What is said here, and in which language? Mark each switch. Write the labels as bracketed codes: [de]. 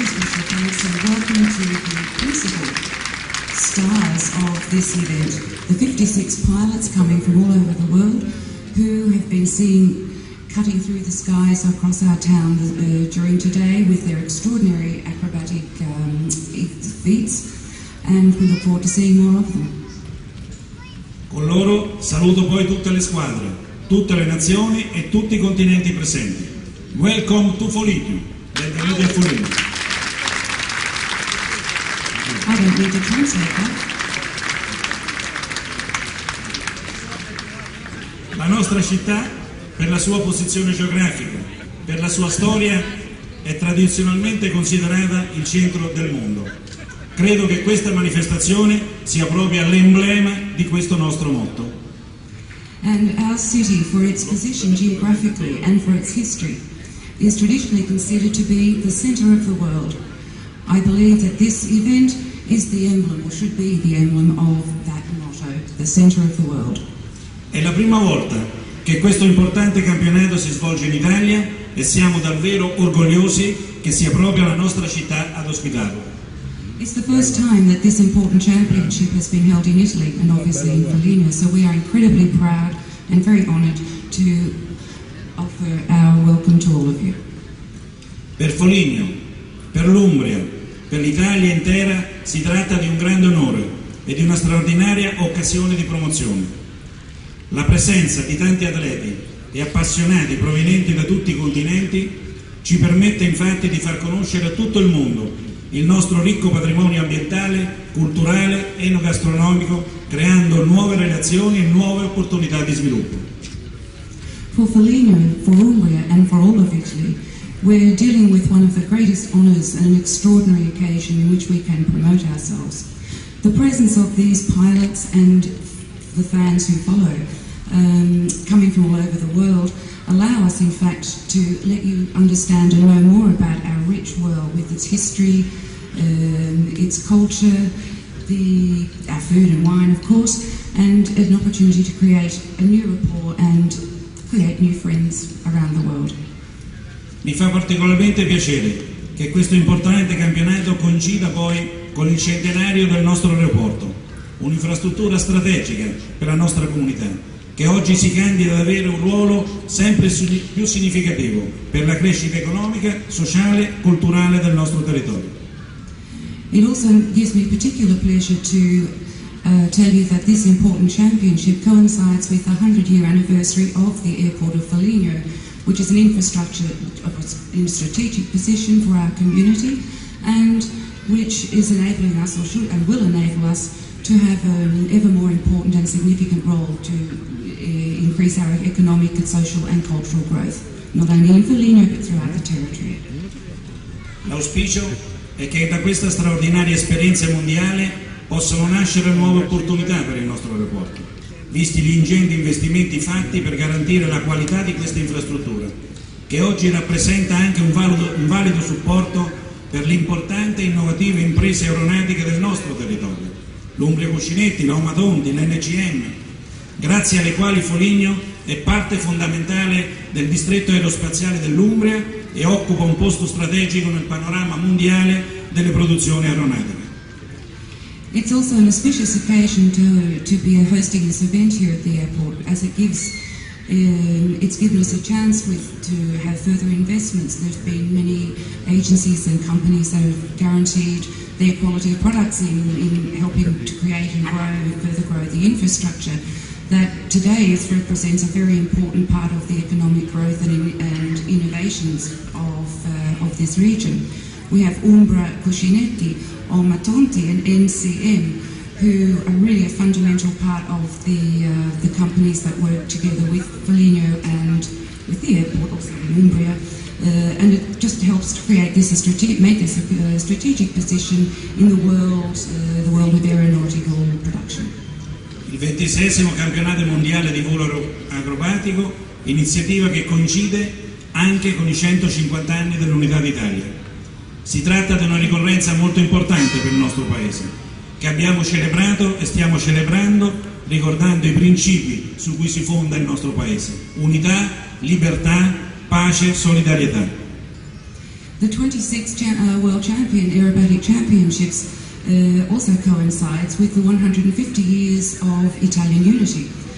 [en] Welcome to the principal stars of this event, the 56 pilots coming from all over the world who have been seen cutting through the skies across our town during today with their extraordinary acrobatic feats, and we look forward to seeing more of them. [it] Con loro saluto poi tutte le squadre, tutte le nazioni e tutti i continenti presenti. [en] Welcome to Foligno, [it] benvenuti a Foligno. [en] I don't need to translate that. [it] La nostra città, per la sua posizione geografica, per la sua storia, è tradizionalmente considerata il centro del mondo. Credo che questa manifestazione sia proprio l'emblema di questo nostro motto. [en] And our city, for its position geographically and for its history, is traditionally considered to be the center of the world. I believe that this event is the emblem, or should be the emblem of that motto, the center of the world. [it] È la prima volta che questo importante campionato si svolge in Italia e siamo davvero orgogliosi che sia proprio la nostra città ad ospitarlo. [en] It's the first time that this important championship has been held in Italy, and obviously in Foligno, so we are incredibly proud and very honored to offer our welcome to all of you. [it] Per Foligno, per l'Umbria, per l'Italia intera si tratta di un grande onore e di una straordinaria occasione di promozione. La presenza di tanti atleti e appassionati provenienti da tutti i continenti ci permette infatti di far conoscere a tutto il mondo il nostro ricco patrimonio ambientale, culturale e enogastronomico, creando nuove relazioni e nuove opportunità di sviluppo. [en] For Foligno, for Umbria and for all of Italy, we're dealing with one of the greatest honours and an extraordinary occasion in which we can promote ourselves. The presence of these pilots and the fans who follow, coming from all over the world, allow us in fact to let you understand and know more about our rich world with its history, its culture, our food and wine of course, and an opportunity to create a new rapport and create new friends around the world. [it] Mi fa particolarmente piacere che questo importante campionato coincida poi con il centenario del nostro aeroporto, un'infrastruttura strategica per la nostra comunità, che oggi si candida ad avere un ruolo sempre più significativo per la crescita economica, sociale, culturale del nostro territorio. [en] It also gives me particular pleasure to tell you that this important championship coincides with the 100-year anniversary of the airport of Foligno, which is an infrastructure in a strategic position for our community, and which is enabling us, or should and will enable us, to have an ever more important and significant role to increase our economic and social and cultural growth, not only in Foligno but throughout the territory. [it] L'auspicio è che da questa straordinaria esperienza mondiale possano nascere nuove opportunità per il nostro aeroporto, visti gli ingenti investimenti fatti per garantire la qualità di questa infrastruttura, che oggi rappresenta anche un valido supporto per l'importante e innovativa impresa aeronautica del nostro territorio, l'Umbria Cuscinetti, l'Aumatonti, l'NCM, grazie alle quali Foligno è parte fondamentale del distretto aerospaziale dell'Umbria e occupa un posto strategico nel panorama mondiale delle produzioni aeronautiche. [en] It's also an auspicious occasion to be hosting this event here at the airport, as it gives it's given us a chance to have further investments. There have been many agencies and companies that have guaranteed their quality of products in helping to create and grow and further grow the infrastructure that today represents a very important part of the economic growth and innovations of this region. We have Umbra Cuscinetti, Aumatonti and NCM, who are really a fundamental part of the companies that work together with Foligno and with the airport, also in Umbria. And it just helps to create this, make this a strategic position in the world of aeronautical production. [it] Il 26° campionato mondiale di volo acrobatico, iniziativa che coincide anche con i 150 anni dell'Unità d'Italia. Si tratta di una ricorrenza molto importante per il nostro paese, che abbiamo celebrato e stiamo celebrando ricordando i principi su cui si fonda il nostro paese: unità, libertà, pace, solidarietà. [en] The 26th World Champion Aerobatic Championships also coincides with the 150 years of Italian unity.